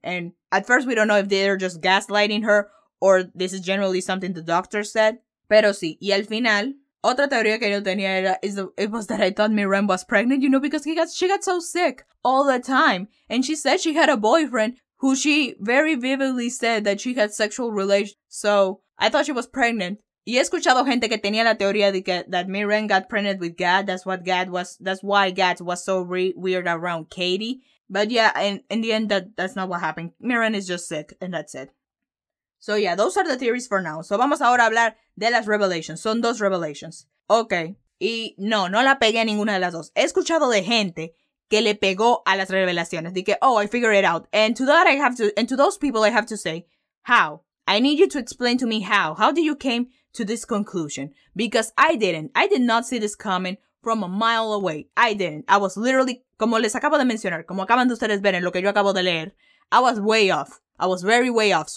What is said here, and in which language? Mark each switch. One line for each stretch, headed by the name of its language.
English: And at first, we don't know if they're just gaslighting her or this is generally something the doctor said.
Spanish: Pero sí, y al final, otra teoría que yo tenía era,
English: it was that I thought Miriam was pregnant, you know, because she got so sick all the time. And she said she had a boyfriend who she very vividly said that she had sexual relations. So, I thought she was pregnant.
Spanish: Y he escuchado gente que tenía la teoría de que
English: that Miriam got pregnant with Gad. That's why Gad was so weird around Cady. But yeah, in the end, that's not what happened. Miriam is just sick, and that's it. So yeah, those are the theories for now.
Spanish: So vamos ahora a hablar de las revelations. Son dos revelations. Okay. Y no la pegué a ninguna de las dos. He escuchado de gente que le pegó a las revelaciones.
English: Dije, oh, I figured it out. And to those people, I have to say, how? I need you to explain to me how. How did you came to this conclusion? Because I didn't. I did not see this coming from a mile away. I didn't. I was literally,
Spanish: como les acabo de mencionar, como acaban de ustedes ver en lo que yo acabo de leer,
English: I was way off. I was very way off.